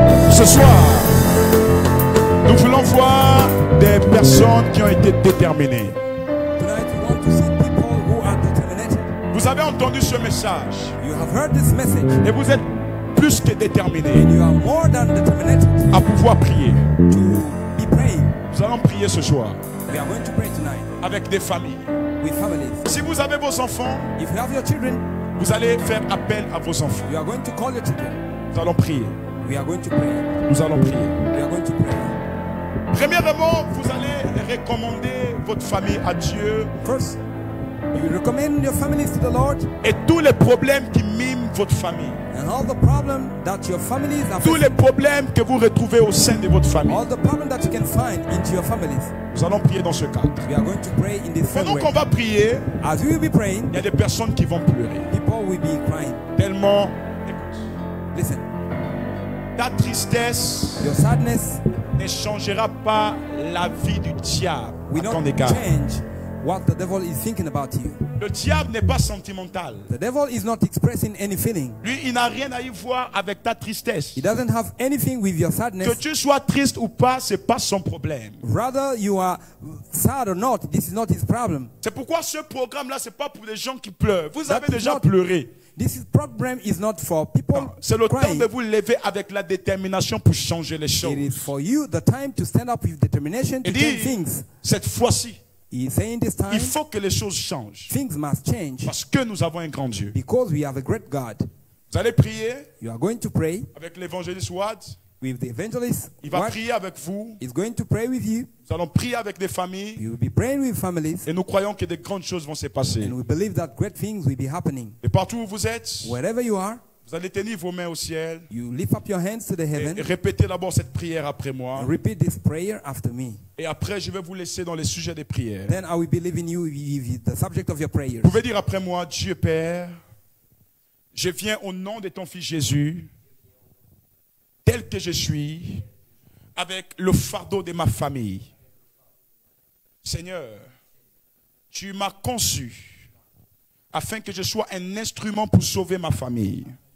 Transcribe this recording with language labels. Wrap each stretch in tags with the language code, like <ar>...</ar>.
<fr>Ce soir, nous voulons voir des personnes qui ont été déterminées.</fr> <en>Tonight we want to see people who are determined.</en> <fr>Vous avez entendu ce message.</fr> <en>You have heard this message.</en> <fr>Et vous êtes plus que déterminé.</fr> <en>And you are more than determined</en> <fr>à pouvoir prier.</fr> <en>To be praying.</en> <fr>Nous allons prier ce soir.</fr> <en>We are going to pray tonight.</en> <fr>Avec des familles.</fr> <en>With families.</en> <fr>Si vous avez vos enfants,</fr> <en>if you have your children,</en> <fr>vous allez faire appel à vos enfants.</fr> <en>You are going to call your children.</en> <fr>Nous allons prier.</fr> <en>We are going to pray.</en> <fr>Nous allons prier.</fr> <en>We are going to pray.</en> <fr>Premièrement, vous allez recommander votre famille à Dieu.</fr> <en>First, you recommend your family to the Lord.</en> <fr>Et tous les problèmes qui miment votre famille.</fr> <en>And all the problems that your family is facing.</en> <fr>Tous les problèmes que vous retrouvez au sein de votre famille.</fr> <en>All the problems that you can find in your families.</en> <fr>Nous allons prier dans ce cadre.</fr> <en>We are going to pray in this</en> <fr>pendant qu'on va prier,</fr> <en>as we will be praying,</en> <fr>il y a des personnes qui vont pleurer.</fr> <en>People will be crying.</en> <fr>Tellement, écoute.</fr> <en>Listen.</en> <fr>Ta tristesse,</fr> <en>your sadness,</en> <fr>ne changera pas la vie du diable.</fr> <en>We</en> <fr>à</fr> <en>not</en> <fr>ton égard.</fr> <en>Change what the devil is thinking about you.</en> <fr>Le diable n'est pas sentimental.</fr> <en>The devil is not expressing any feeling.</en> <fr>Lui, il n'a rien à y voir avec ta tristesse.</fr> <en>He doesn't have anything with your sadness.</en> <fr>Que tu sois triste ou pas, c'est pas son problème.</fr> <en>Rather you are sad or not, this is not his problem.</en> <fr>C'est pourquoi ce programme là, c'est pas pour les gens qui pleurent. Vous avez déjà pleuré.</fr> <en>This problem is not for people.</en> <fr>Non, c'est le</fr> <en>crying.</en> <fr>Temps de vous lever avec la détermination pour changer les choses.</fr> <en>It is for you the time to stand up with determination to change things.</en> <fr>Cette fois-ci,</fr> <en>he's saying this time,</en> <fr>il faut que les choses changent.</fr> <en>Things must change.</en> <fr>Parce que nous avons un grand Dieu.</fr> <en>Because we have a great God.</en> <fr>Vous allez prier.</fr> <en>You are going to pray</en> <fr>avec l'évangéliste Watt.</fr> <en>With the evangelist,</en> <fr>il va prier avec vous.</fr> <en>He's going to pray with you.</en> <fr>Nous allons prier avec des familles.</fr> <en>We will be praying with families.</en> <fr>Et nous croyons que des grandes choses vont se passer.</fr> <en>And we believe that great things will be happening.</en> <fr>Et partout où vous êtes,</fr> <en>wherever you are,</en> <fr>vous allez tenir vos mains au ciel.</fr> <en>You lift up your hands to the heaven.</en> <fr>Et répétez d'abord cette prière après moi.</fr> <en>And repeat this prayer after me.</en> <fr>Et après, je vais vous laisser dans les sujets des prières.</fr> <en>Then I will be leaving you with the subject of your prayers.</en> <fr>Vous pouvez dire après moi, Dieu Père, je viens au nom de ton fils Jésus. que je suis, avec le fardeau de ma famille. Seigneur, tu m'as conçu afin que je sois un instrument pour sauver ma famille.</fr>